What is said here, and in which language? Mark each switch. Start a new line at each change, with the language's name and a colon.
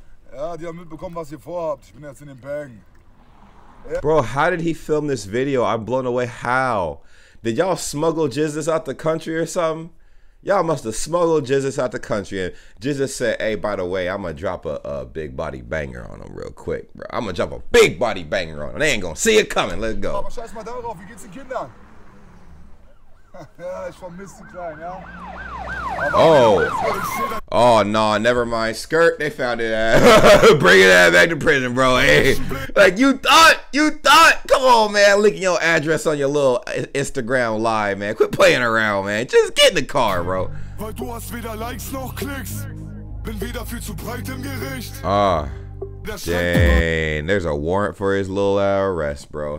German: Ja, die haben mitbekommen, was ihr vorhabt. Ich bin jetzt in den Bang.
English: Bro, how did he film this video? I'm blown away. How? Did y'all smuggle Jesus out the country or something? Y'all must have smuggled Jesus out the country. And Jesus said, hey, by the way, I'm going to drop a big body banger on him real quick, bro. I'm going to drop a big body banger on him. They ain't going to see it coming. Let's go.
German: Scheiß mal darauf. Wie geht's den Kindern? Ja, ich vermisse die Kleinen, ja?
English: Oh. Oh, no, never mind. Skirt, they found it. Bring it back to prison, bro. Hey. Like, you thought. Come on, man. Leaking your address on your little Instagram live, man. Quit playing around, man. Just get in the car, bro.
German: Weil du hast weder Likes noch Klicks. Bin weder viel zu breit im Gericht.
English: Dang. There's a warrant for his little arrest, bro.